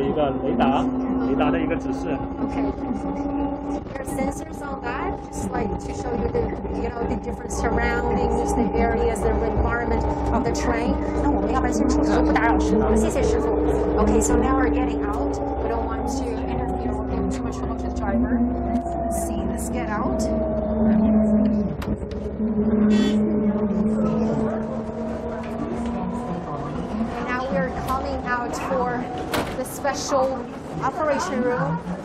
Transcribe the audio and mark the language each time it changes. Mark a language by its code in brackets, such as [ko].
[zh] 是我们现在到的是倒数第二站，然后我们可以在这个屏幕上看到整个车周围的情况。这两个其实有点像后视镜。后视镜，对，上面还有一个就是360度的一个环视，它上面还有很多红的、绿的那个灯，就是它的一个防碰撞的一个雷达的一个指示。 [en] There are sensors on that, just like to show you the, you know, the different surroundings, the areas, the environment of the train. [zh] 那我们要不然先出去，不打扰师傅了，谢谢师傅。 [en] Okay, so now we're getting out. We don't want to interfere or give too much trouble to the driver. Let's see, let's get out. And now we're coming out for the special operation room.